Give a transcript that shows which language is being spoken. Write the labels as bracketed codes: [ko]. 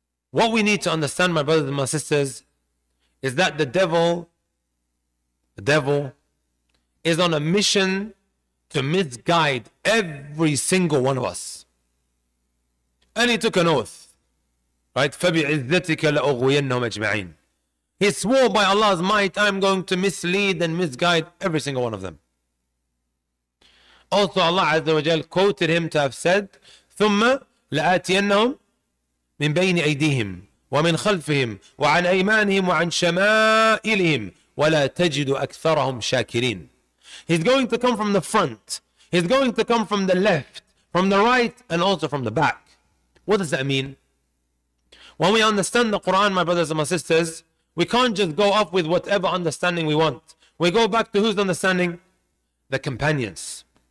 [en] What we need to understand, my brothers and my sisters, is that the devil is on a mission to misguide every single one of us. And he took an oath, right? [ar] فَبِعِذَّتِكَ لَأُغْوِيَنَّهُمْ أَجْمَعِينَ. [en] He swore by Allah's might, I'm going to mislead and misguide every single one of them. Also, Allah Azza wa Jal quoted him to have said, [ar] ثُمَّ لَآتِيَنَّهُمْ مِنْ بَيْنِ أَيْدِيهِمْ وَمِنْ خَلْفِهِمْ وَعَنْ أَيْمَانِهِمْ وَعَنْ شَمَائِلِهِمْ وَلَا تَجِدُ أَكْثَرَهُمْ شَاكِرِينَ. [en] He's going to come from the front. He's going to come from the left, from the right, and also from the back. What does that mean? When we understand the Quran, my brothers and my sisters, we can't just go off with whatever understanding we want. We go back to whose understanding? The companions.